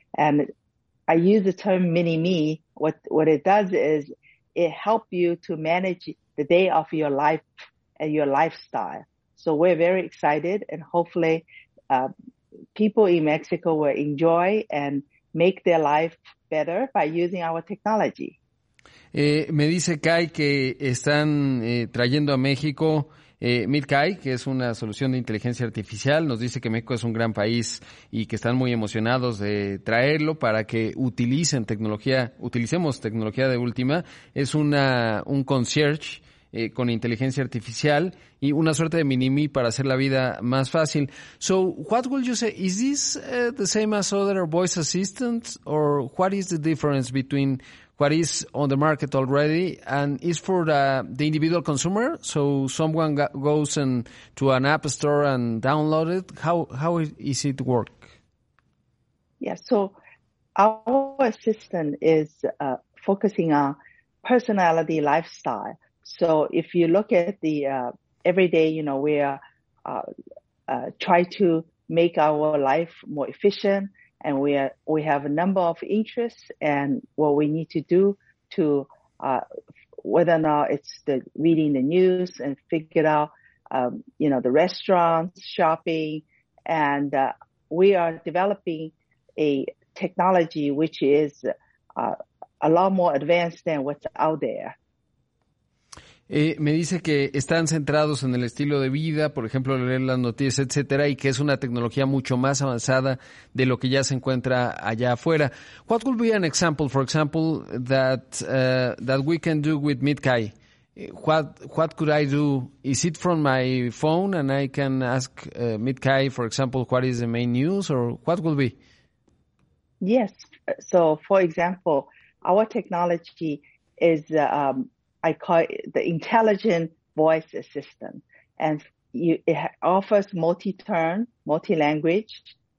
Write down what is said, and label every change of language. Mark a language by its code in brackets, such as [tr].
[en] And I use the term mini me. What it does is it helps you to manage the day of your life and your lifestyle. So we're very excited, and hopefully, people in Mexico will enjoy and make their life better by using our technology. [es] Me dice Kai que están trayendo a México MeetKai, que es una solución de inteligencia artificial. Nos dice que México es un gran país y que están muy emocionados de traerlo para que utilicemos tecnología de última. Es un concierge con inteligencia artificial y una suerte de mini-me para hacer la vida más fácil. [en] So what will you say? Is this the same as other voice assistants, or what is the difference between what is on the market already and is for the individual consumer? So someone goes and to an app store and download it. How is it work? Yeah, so our assistant is focusing on personality, lifestyle. So if you look at the everyday, you know, we are try to make our life more efficient, and we have a number of interests and what we need to do to whether or not it's the reading the news and figure out you know, the restaurants, shopping, and we are developing a technology which is a lot more advanced than what's out there. [es] Me dice que están centrados en el estilo de vida, por ejemplo, leer las noticias, etcétera, y que es una tecnología mucho más avanzada de lo que ya se encuentra allá afuera. [en] What would be an example, for example, that that we can do with Midkai? What could I do? Is it from my phone and I can ask Midkai, for example, what is the main news or what would be? Yes. So, for example, our technology is I call it the intelligent voice assistant, and it offers multi-turn, multi-language.